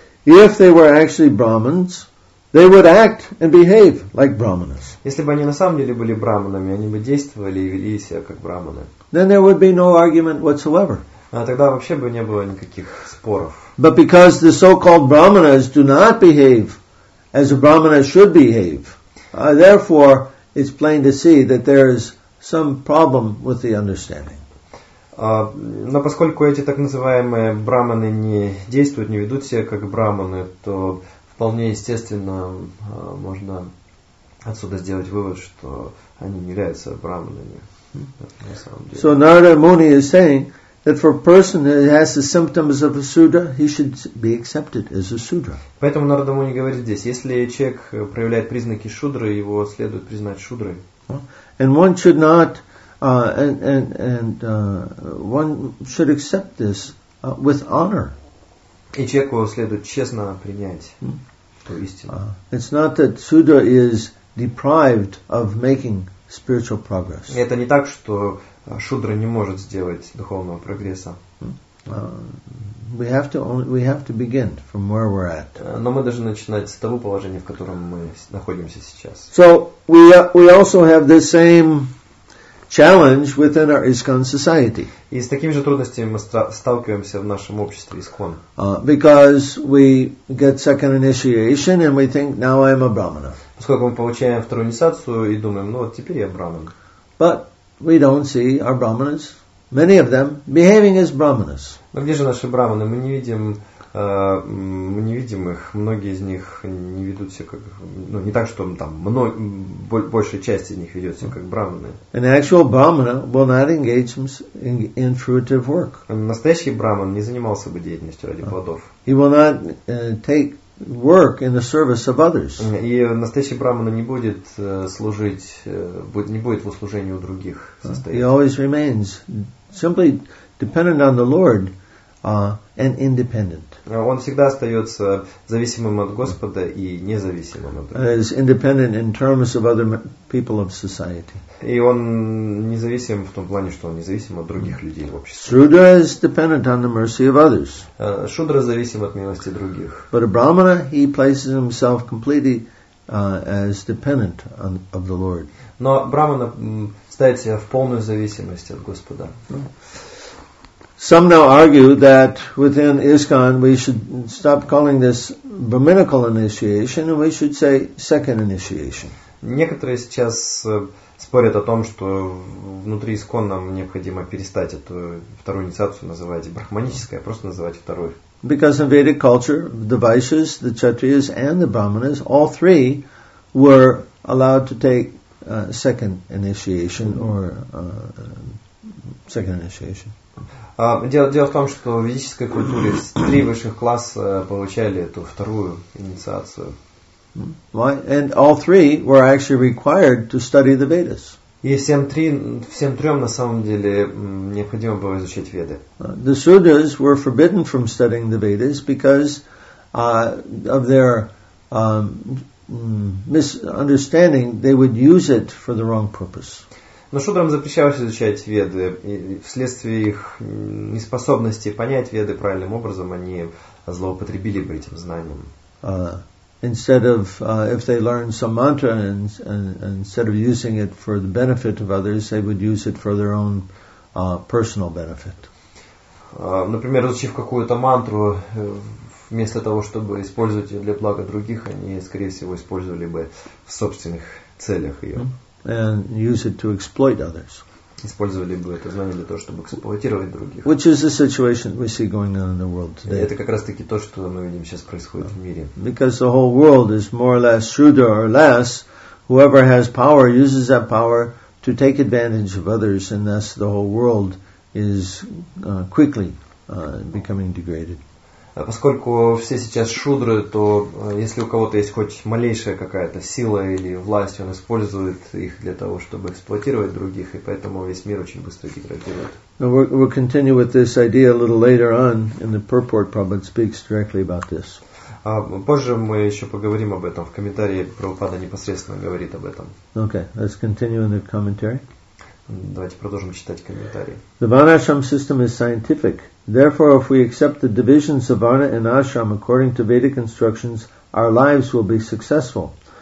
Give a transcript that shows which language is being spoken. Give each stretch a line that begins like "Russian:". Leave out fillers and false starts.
English: If they were actually Brahmins, they would act and behave like Brahmanas.
Russian: Если бы они на самом деле были браманами, они бы действовали и вели себя как браманы.
English: Then there would be no argument whatsoever.
Russian: Тогда вообще бы не было никаких споров.
English: But because the so-called brahmanas do not behave as a brahmana should behave, therefore it's plain to see that there is some problem with the understanding.
Russian: Но поскольку эти так называемые браманы не действуют, не ведут себя как браманы, то вполне естественно можно отсюда сделать вывод, что они не являются браманами.
English: So Narada Muni is saying that for a person that has the symptoms of a sudra, he should be accepted as a sudra.
Russian: Поэтому Нарада Муни говорит здесь, если человек проявляет признаки шудры, его следует признать шудрой.
English: And one should not, and one should accept this with honor.
Russian: И человеку следует честно принять ту истину.
English: It's not that sudra is deprived of making spiritual progress.
Russian: Это не так, что шудра не может сделать духовного прогресса.
English: We have to begin from where we're at.
Russian: Но мы должны начинать с того положения, в котором мы находимся сейчас.
English: So we also have the same challenge within our ISKCON society.
Russian: И с такими же трудностями мы сталкиваемся в нашем обществе ISKCON.
English: Because we get second initiation and we think now I'm a brahmana.
Russian: Поскольку мы получаем вторую инициацию и думаем, ну вот теперь я браман.
English: But we don't see our brahmanas, many of them, behaving as brahmanas.
Russian: Но где же наши браманы? Мы не видим их. Многие из них не ведут себя как, ну не так, что там большая часть из них ведет себя как браманы.
English: An actual brahmana will not engage in fruitive work.
Russian: Настоящий браман не занимался бы деятельностью ради плодов.
English: He will not take work in the service of others.
Russian: И настоящий брахмана не будет служить, не будет в услужении у других состоять.
English: He always remains simply dependent on the Lord, and independent.
Russian: Он всегда остается зависимым от Господа и независимым от Него.
English: Is independent in terms of other people of society.
Russian: И он независим в том плане, что он независим от других людей в обществе.
English: Shudra is dependent on the mercy of others.
Russian: Шудра зависим от милости других.
English: But a Brahmana, he places himself completely as dependent on of the Lord.
Russian: Но Брахмана ставит себя в полную зависимость от Господа.
English: Some now argue that within ISKCON we should stop calling this brahminical initiation and we should say second initiation.
Russian: Некоторые сейчас спорят о том, что внутри ИСККОН нам необходимо перестать эту вторую инициацию называть брахманической, а просто называть второй.
English: Because in Vedic culture, the Vaishyas, the Kshatriyas and the Brahmanas, all three were allowed to take second initiation or second initiation.
Russian: Дело в том, что в ведической культуре три высших класса получали эту вторую инициацию.
English: Why? And all three were actually required to study the Vedas.
Russian: И всем трем на самом деле необходимо было изучать Веды.
English: The Shudras were forbidden from studying the Vedas because of their misunderstanding, they would use it for the wrong purpose.
Russian: Но шудрам запрещалось изучать Веды, и вследствие их неспособности понять Веды правильным образом, они злоупотребили бы этим знанием.
English: Instead of if they learn some mantra and instead of using it for the benefit of others, they would use it for their own personal benefit.
Russian: Например, изучив какую-то мантру, вместо того чтобы использовать ее для блага других, они, скорее всего, использовали бы в собственных целях ее.
English: And use it to exploit others.
Russian: Использовали бы это знание для того, чтобы эксплуатировать других.
English: Which is the situation we see going on in the world today.
Russian: Это как раз таки то, что мы видим сейчас происходит в мире.
English: Because the whole world is more or less shudra or less. Whoever has power uses that power to take advantage of others, and thus the whole world is quickly becoming degraded.
Russian: Поскольку все сейчас шудры, то если у кого-то есть хоть малейшая какая-то сила или власть, он использует их для того, чтобы эксплуатировать других, и поэтому весь мир очень быстро деградирует.
English: We'll continue with this idea a little later on, and the purport Prabhupada speaks directly about this.
Russian: Позже мы еще поговорим об этом, в комментарии Прабхупада непосредственно говорит об этом.
English: Okay, let's continue in the commentary.
Russian: Давайте продолжим читать комментарии.
English: The Varnashram system is scientific. Therefore, if we accept the divisions of Varna and Ashram according to Vedic instructions, our lives will be successful.